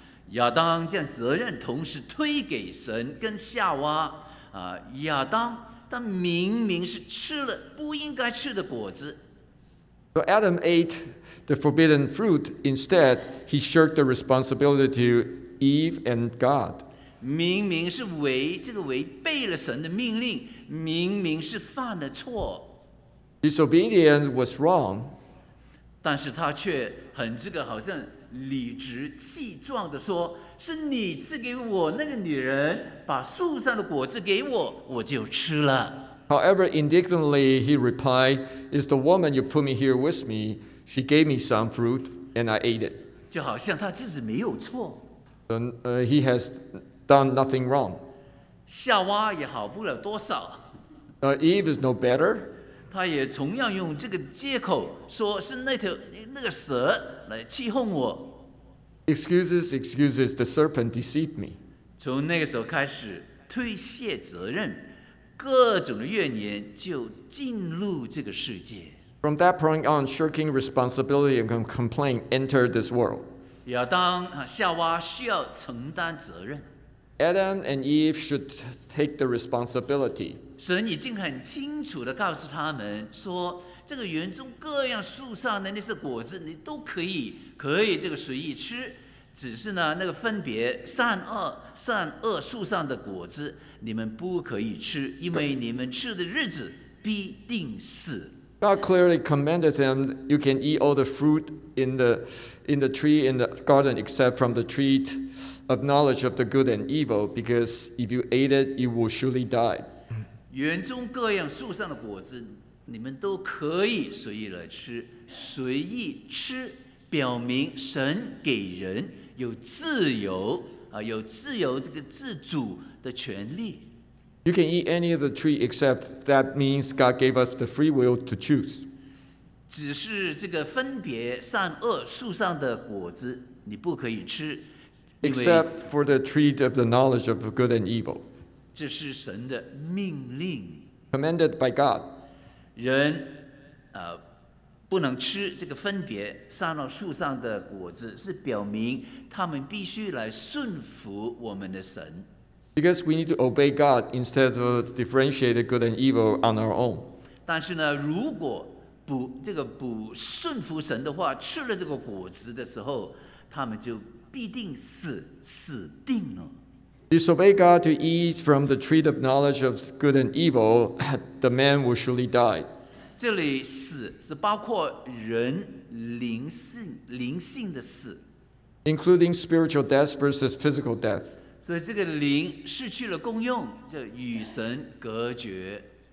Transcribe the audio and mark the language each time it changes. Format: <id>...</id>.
<zh>亚当将责任同时推给神跟夏娃。亚当他明明是吃了不应该吃的果子。</zh> <en>So Adam ate the forbidden fruit. Instead, he shirked the responsibility to Eve and God.</en> <zh>明明是违背了神的命令，明明是犯了错。</zh> <en>Disobedience was wrong.</en> <zh>但是他却很好像理直气壮地说，是你赐给我那个女人，把树上的果子给我，我就吃了。</zh> <en>However, indignantly, he replied, It's the woman you put me here with me. She gave me some fruit, and I ate it.</en> <zh>就好像他自己没有错。</zh> <en>He has done nothing wrong.</en> <zh>夏娃也好不了多少。</zh> <en>Eve is no better.</en> <zh>他也同样用这个借口说是那个蛇来欺哄我。</zh> <en>Excuses, the serpent deceived me.</en> <zh>从那个时候开始，推卸责任，各种的怨言就进入这个世界。</zh> <en>From that point on, shirking responsibility and complaint entered this world.</en> <zh>亚当和夏娃需要承担责任。</zh> <en>Adam and Eve should take the responsibility.</en> <zh>神已经很清楚地告诉他们说，这个园中各样树上的那些果子，你都可以这个随意吃，只是呢，那个分别善恶树上的果子，你们不可以吃，因为你们吃的日子必定死。</zh> <en>God clearly commanded them, "You can eat all the fruit in the tree in the garden, except from the tree of knowledge of the good and evil, because if you ate it, you will surely die."</en> <zh>园中各样树上的果子，你们都可以随意来吃。随意吃，表明神给人有自由啊，有自由这个自主的权利。</zh> <en>You can eat any of the tree, except that means God gave us the free will to choose.</en> <zh>只是这个分别善恶树上的果子，你不可以吃。</zh> <en>Except for the tree of the knowledge of good and evil.</en> <zh>这是神的命令。</zh> <en>commanded by God.</en> <zh>人不能吃这个分别善恶树上的果子，是表明他们必须来顺服我们的神。</zh> <en>Because we need to obey God instead of differentiate good and evil on our own.</en> <zh>但是呢，如果不这个不顺服神的话，吃了这个果子的时候，他们就必定死定了。</zh> <en>Disobey God to eat from the tree of knowledge of good and evil, the man will surely die.</en> <zh>这里死是包括人灵性的死</zh> <en>，including spiritual death versus physical death.</en> <zh>所以这个灵失去了功用，就与神隔绝。</zh>